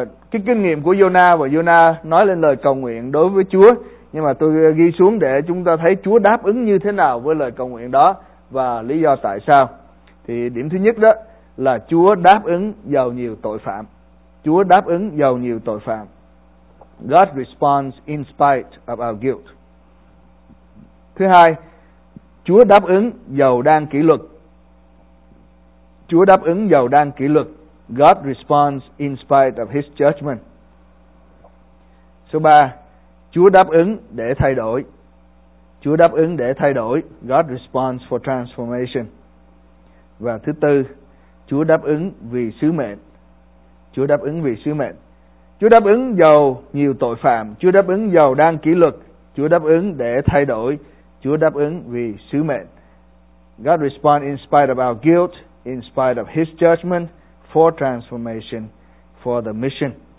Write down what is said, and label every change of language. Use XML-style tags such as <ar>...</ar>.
<vi>Cái kinh nghiệm của Jonah, và Jonah nói lên lời cầu nguyện đối với Chúa, nhưng mà tôi ghi xuống để chúng ta thấy Chúa đáp ứng như thế nào với lời cầu nguyện đó và lý do tại sao. Thì điểm thứ nhất đó là Chúa đáp ứng dầu nhiều tội phạm. Chúa đáp ứng dầu nhiều tội phạm.</vi> <en>God responds in spite of our guilt.</en> <vi>Thứ hai, Chúa đáp ứng dầu đang kỷ luật. Chúa đáp ứng dầu đang kỷ luật.</vi> <en>God responds in spite of his judgment.</en> <vi>Số 3, Chúa đáp ứng để thay đổi. Chúa đáp ứng để thay đổi.</vi> <en>God responds for transformation.</en> <vi>Và thứ tư, Chúa đáp ứng vì sứ mệnh. Chúa đáp ứng vì sứ mệnh. Chúa đáp ứng dầu nhiều tội phạm, Chúa đáp ứng dầu đang kỷ luật, Chúa đáp ứng để thay đổi, Chúa đáp ứng vì sứ mệnh.</vi> <en>God responds in spite of our guilt, in spite of his judgment, for transformation, for the mission.</en>